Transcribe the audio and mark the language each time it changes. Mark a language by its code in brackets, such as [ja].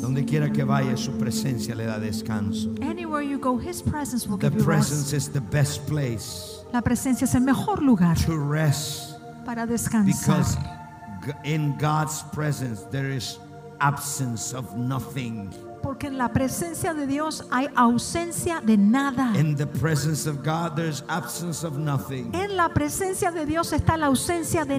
[es] Donde quiera que vaya, su presencia le da descanso. [en] Anywhere you go, his presence will the give you rest. The presence is the best place. [es] La presencia es el mejor lugar. [en] To rest. [es] Para descansar. [en] Because in God's presence there is absence of nothing. [es] Porque en la presencia de Dios hay ausencia de nada. [en] In the presence of God there's absence of nothing. [es] En la presencia de Dios está la ausencia de